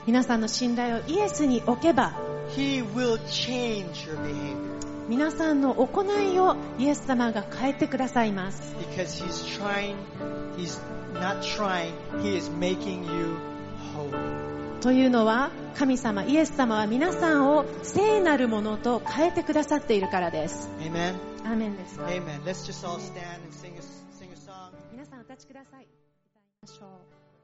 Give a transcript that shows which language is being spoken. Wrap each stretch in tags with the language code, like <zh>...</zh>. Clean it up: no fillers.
<ja>皆さんの信頼をイエスに置けば、</ja> <en>He will change your behavior.</en> <ja>皆さんの行いをイエス様が変えてくださいます。</ja> <en>Because he's trying, he's not trying, he is making you holy.</en> <ja>というのは、神様、イエス様は皆さんを聖なるものと変えてくださっているからです。</ja> <en>Amen.</en> <ja>Amen です。</ja> <en>Amen. Let's just all stand and sing a song.</en> <ja>皆さんお立ちください。歌いましょう。</ja>